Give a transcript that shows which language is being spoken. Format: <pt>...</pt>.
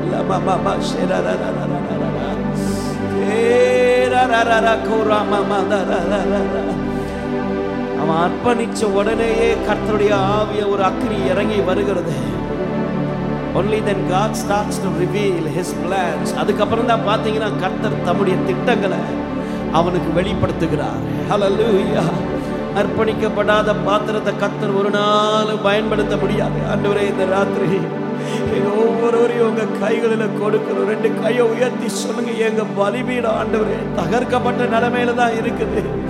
<ta>லமம சேரரரரரரரர கேரரரர குரமம தரரரர. அவன் அர்ப்பணிச்ச உடனேயே கர்த்தருடைய ஆவிய ஒரு அக்னி இறங்கி வருகிறது.</ta> <en>Only then God starts to reveal His plans.</en> <ta>அதுக்கப்புறம் தான் பார்த்தீங்கன்னா கர்த்தர் தம்முடைய திட்டங்களை அவனுக்கு வெளிப்படுத்துகிறார். ஹல்லேலூயா. அர்ப்பணிக்கப்படாத பாத்திரத்தை கர்த்தர் ஒரு நாளும் பயன்படுத்த முடியாது. ஆண்டவரே இந்த ராத்திரி ஒவ்வொருவரையும் உங்க கைகளில் கொடுக்கணும். ரெண்டு கையை உயர்த்தி சொல்லுங்க, எங்க பலிபீடம் ஆண்டவரே தகர்க்கப்பட்ட நிலைமையில தான் இருக்குது.</ta>